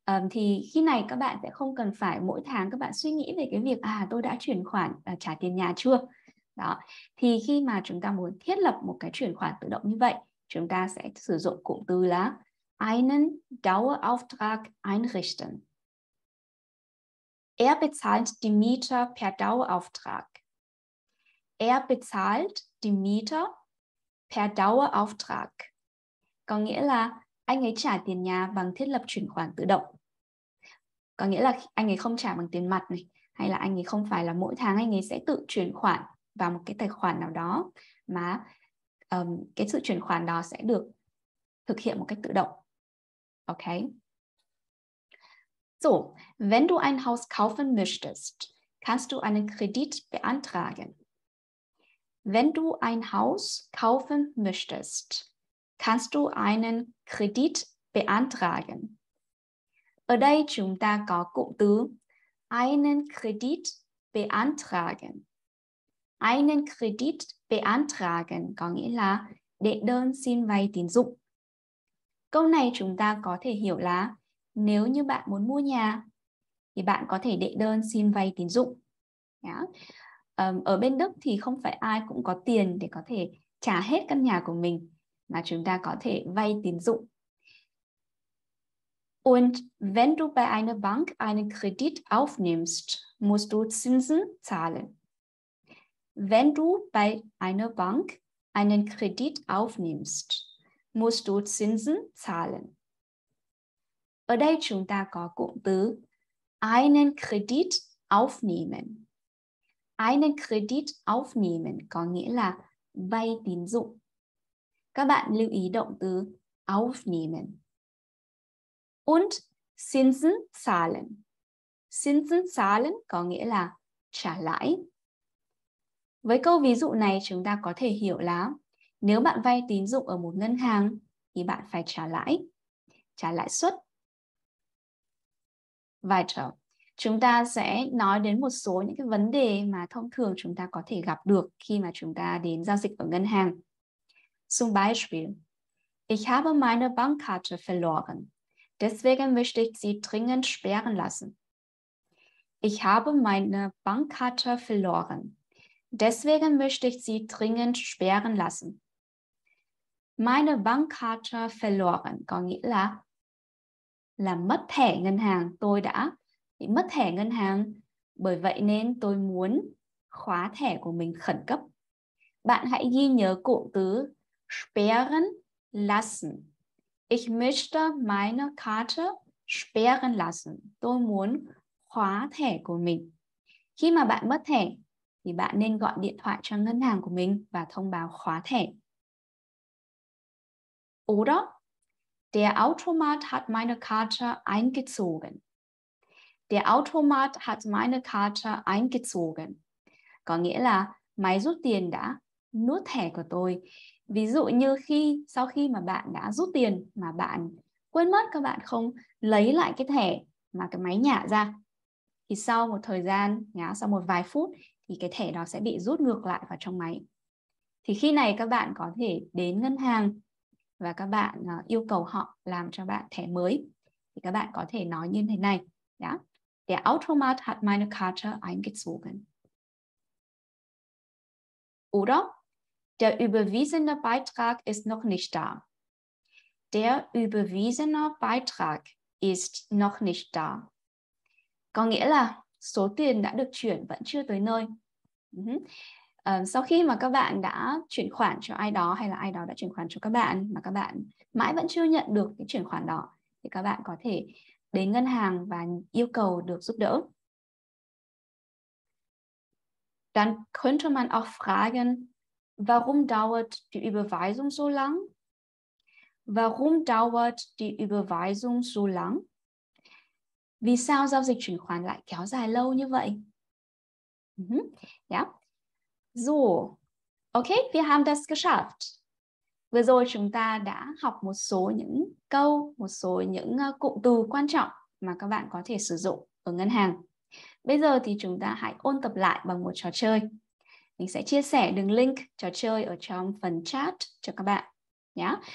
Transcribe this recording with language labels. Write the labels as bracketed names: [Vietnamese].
[Vietnamese] Thì khi này các bạn sẽ không cần phải mỗi tháng các bạn suy nghĩ về cái việc tôi đã chuyển khoản trả tiền nhà chưa. Đó. Thì khi mà chúng ta muốn thiết lập một cái chuyển khoản tự động như vậy, chúng ta sẽ sử dụng cụm từ là [German] einen Dauerauftrag einrichten. Er bezahlt die Miete per Dauerauftrag. Er bezahlt die Miete per Dauerauftrag. [Vietnamese] Có nghĩa là anh ấy trả tiền nhà bằng thiết lập chuyển khoản tự động. Có nghĩa là anh ấy không trả bằng tiền mặt này, hay là anh ấy không phải là mỗi tháng anh ấy sẽ tự chuyển khoản vào một cái tài khoản nào đó, mà cái sự chuyển khoản đó sẽ được thực hiện một cách tự động. Ok. [German] So, wenn du ein Haus kaufen möchtest, kannst du einen Kredit beantragen. Wenn du ein Haus kaufen möchtest, kannst du einen Kredit beantragen. [Vietnamese] Ở đây chúng ta có cụm từ [German] einen Kredit beantragen. Einen Kredit beantragen [Vietnamese] có nghĩa là đệ đơn xin vay tín dụng. Câu này chúng ta có thể hiểu là nếu như bạn muốn mua nhà thì bạn có thể đệ đơn xin vay tín dụng. Ở bên Đức thì không phải ai cũng có tiền để có thể trả hết căn nhà của mình, mà chúng ta có thể vay tín dụng. [German] Und wenn du bei einer Bank einen Kredit aufnimmst, musst du Zinsen zahlen. Wenn du bei einer Bank einen Kredit aufnimmst, musst du Zinsen zahlen. [Vietnamese] Ở đây chúng ta có cụm từ [German] einen Kredit aufnehmen. Einen Kredit aufnehmen [Vietnamese] có nghĩa là vay tín dụng. Các bạn lưu ý động từ aufnehmen. [German] Und Zinsen zahlen. Zinsen zahlen [Vietnamese] có nghĩa là trả lãi. Với câu ví dụ này chúng ta có thể hiểu là nếu bạn vay tín dụng ở một ngân hàng thì bạn phải trả lãi suất. [German] Weiter. [Vietnamese] Chúng ta sẽ nói đến một số những cái vấn đề mà thông thường chúng ta có thể gặp được khi mà chúng ta đến giao dịch ở ngân hàng. [German] Zum Beispiel, ich habe meine Bankkarte verloren. Deswegen möchte ich sie dringend sperren lassen. Ich habe meine Bankkarte verloren. Deswegen möchte ich sie dringend sperren lassen. Meine Bankkarte verloren. [Vietnamese] Có nghĩa là mất thẻ ngân hàng. Tôi đã bị mất thẻ ngân hàng. Bởi vậy nên tôi muốn khóa thẻ của mình khẩn cấp. Bạn hãy ghi nhớ cụm từ [German] sperren lassen. [Vietnamese] Ich möchte meine Karte sperren lassen. Tôi muốn khóa thẻ của mình. Khi mà bạn mất thẻ thì bạn nên gọi điện thoại cho ngân hàng của mình và thông báo khóa thẻ. [German] Oder der Automat hat meine Karte eingezogen. Der Automat hat meine Karte eingezogen. [Vietnamese] Có nghĩa là máy rút tiền đã nuốt thẻ của tôi. Ví dụ như khi sau khi mà bạn đã rút tiền mà bạn quên mất, các bạn không lấy lại cái thẻ mà cái máy nhả ra, thì sau một thời gian, sau một vài phút thì cái thẻ đó sẽ bị rút ngược lại vào trong máy. Thì khi này các bạn có thể đến ngân hàng và các bạn yêu cầu họ làm cho bạn thẻ mới. thì các bạn có thể nói như thế này. Yeah. [German] Der Automat hat meine Karte eingezogen. Oder der überwiesene Beitrag ist noch nicht da. Der überwiesene Beitrag ist noch nicht da. [Vietnamese] Có nghĩa là số tiền đã được chuyển vẫn chưa tới nơi. Sau khi mà các bạn đã chuyển khoản cho ai đó hay là ai đó đã chuyển khoản cho các bạn mà các bạn mãi vẫn chưa nhận được cái chuyển khoản đó thì các bạn có thể đến ngân hàng và yêu cầu được giúp đỡ. [German] Dann könnte man auch fragen, warum dauert die Überweisung so lang? Warum dauert die Überweisung so lang? [Vietnamese] Vì sao giao dịch chuyển khoản lại kéo dài lâu như vậy? Yeah. [German] So, okay, wir haben das geschafft. [Vietnamese] Vừa rồi chúng ta đã học một số những câu, một số những cụm từ quan trọng mà các bạn có thể sử dụng ở ngân hàng. Bây giờ thì chúng ta hãy ôn tập lại bằng một trò chơi. Mình sẽ chia sẻ đường link trò chơi ở trong phần chat cho các bạn nhé.